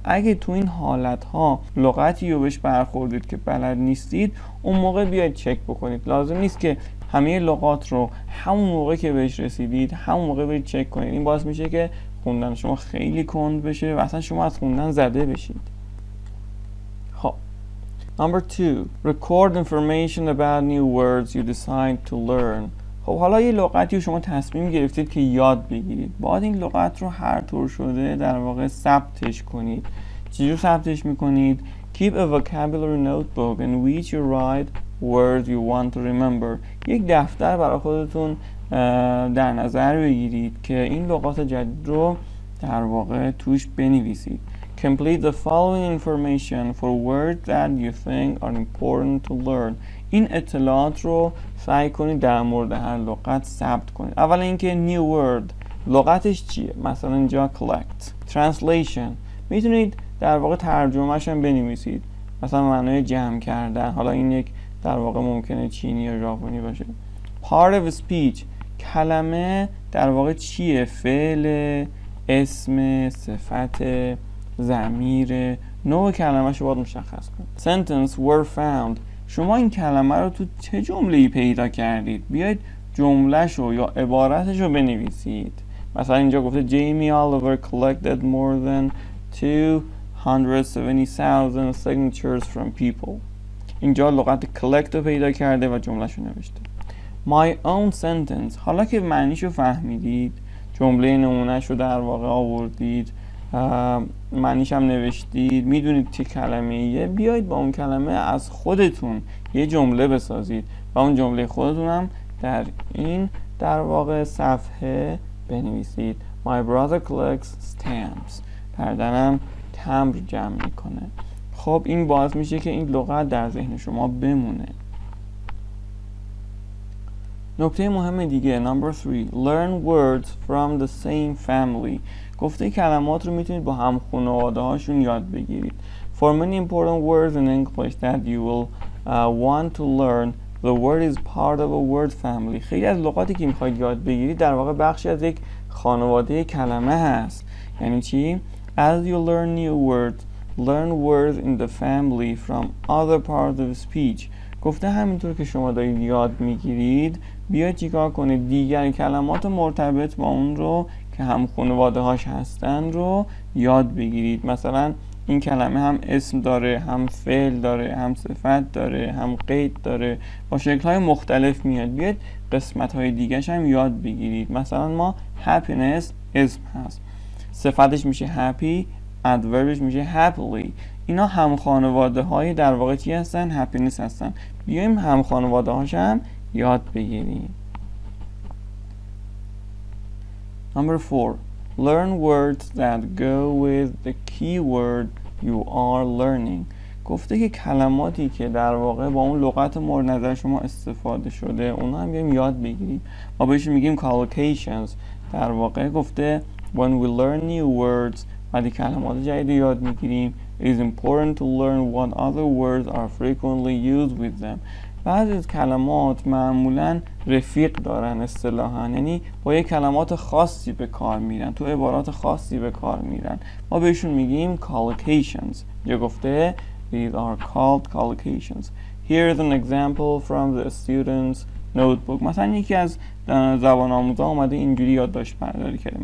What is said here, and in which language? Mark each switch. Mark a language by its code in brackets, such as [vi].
[fa] اگه تو این حالت ها لغتی رو بهش برخوردید که بلد نیستید اون موقع بیاید چک بکنید. لازم نیست که همه لغات رو همون موقع که بهش رسیدید همون موقع برید چک کنید. این باعث میشه که خوندن شما خیلی کند بشه و اصلا شما از خوندن زده بشید. [en] Number 2, record information about new words you decide to learn. [fa] خب حالا یه لغتی رو شما تصمیم گرفتید که یاد بگیرید، باید این لغت رو هر طور شده در واقع ثبتش کنید. چجور ثبتش میکنید؟ [en] Keep a vocabulary notebook in which you write words you want to remember. [fa] یک دفتر برای خودتون در نظر بگیرید که این لغات جدید رو در واقع توش بنویسید. [en] Complete the following information for words that you think are important to learn. [fa] این اطلاعات رو سعی کنید در مورد هر لغت ثبت کنید. اول اینکه new word لغتش چیه؟ مثلا اینجا collect. Translation میتونید در واقع ترجمهش هم بنویسید. مثلا معنای جمع کردن. حالا این یک در واقع ممکنه چینی یا ژاپنی باشه. Part of speech کلمه در واقع چیه؟ فعل، اسم، صفت، ضمیر. نوع کلمه‌شو باید مشخص کنید. [en] Sentence were found [fa] شما این کلمه رو تو چه جمله‌ای پیدا کردید؟ بیاید جمله‌شو یا عبارتشو بنویسید. مثلا اینجا گفته [en] Jamie Oliver collected more than 270,000 signatures from people. [fa] اینجا لغت collect رو پیدا کرده و جمله‌شو نوشته. [en] My own sentence [fa] حالا که معنیشو فهمیدید، جمله نمونه‌شو در واقع آوردید، معنیش هم نوشتید، میدونید چه کلمه‌ایه، بیایید با اون کلمه از خودتون یه جمله بسازید و اون جمله خودتون هم در این در واقع صفحه بنویسید. [en] My brother collects stamps. [fa] پردنم تمبر جمع میکنه. خب این باعث میشه که این لغت در ذهن شما بمونه. نکته مهم دیگه [en] number 3 learn words from the same family. [fa] گفته کلمات رو میتونید با هم خانواده هاشون یاد بگیرید. [en] For many important words in English that you will want to learn, the word is part of a word family. [fa] خیلی از لغاتی که میخواید یاد بگیرید در واقع بخشی از یک خانواده کلمه هست. یعنی چی؟ [en] As you learn new words, learn words in the family from other parts of speech. [fa] گفته همینطور که شما دارید یاد میگیرید، بیاید چیکار کنید؟ دیگر کلمات مرتبط با اون رو که هم خانواده هاش هستن رو یاد بگیرید. مثلا این کلمه هم اسم داره، هم فعل داره، هم صفت داره، هم قید داره، با شکل‌های مختلف میاد. بیاید قسمت‌های دیگه‌ش هم یاد بگیرید. مثلا ما happiness اسم هست، صفتش میشه happy، adverbش میشه happily. اینا هم خانواده های در واقع چی هستن؟ happiness هستن. بیایم هم خانواده هاش هم یاد بگیریم. [en] Number 4. Learn words that go with the keyword you are learning. [fa] گفته که کلماتی که در واقع با اون لغت مورد نظر شما استفاده شده اونا هم بیایم یاد بگیریم. ما بهش میگیم collocations. در واقع گفته [en] when we learn new words [fa] وقتی کلمات جدید یاد میگیریم [en] it is important to learn what other words are frequently used with them. [fa] بعضی از کلمات معمولاً رفیق دارن اصطلاحاً، یعنی با یه کلمات خاصی به کار میرن، تو عبارات خاصی به کار میرن. ما بهشون میگیم collocations. یه گفته [en] these are called collocations. Here is an example from the student's notebook. [fa] مثلا یکی از زبان آموزا اومده اینجوری یاد داشت برداری کرده.